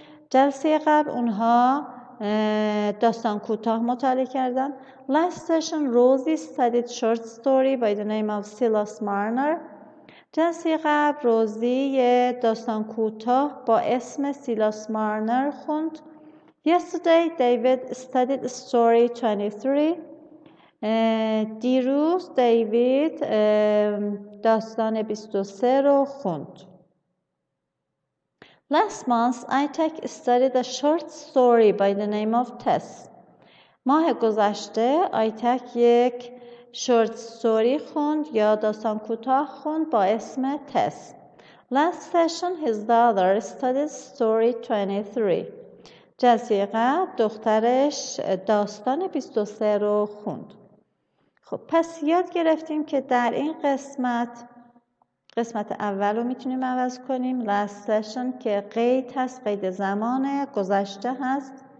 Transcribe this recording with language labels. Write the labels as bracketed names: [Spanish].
[Persian] جلسه قبل اونها داستان کوتاه مطالعه کردن. [English] Last session Rosie studied short story by the name of Silas Marner. [Persian] جلسه قبل روزی یه داستان کوتاه با اسم سیلاس مارنر خوند. [English] Yesterday David studied story 23. [Persian] دیروز دیوید داستان 23 رو خوند. [English] Last month Itek studied a short story by the name of Tess. [Persian] ماه گذشته Itek یک [English] short story [Persian] خوند یا داستان کوتاه خوند با اسم Tess. [English] Last session his daughter studied story 23. [Persian] جزیقه دخترش داستان 23 رو خوند. خب پس یاد گرفتیم که در این قسمت، قسمت اول رو میتونیم عوض کنیم. [English] Last session [Persian] که قید هست، قید زمان گذشته هست.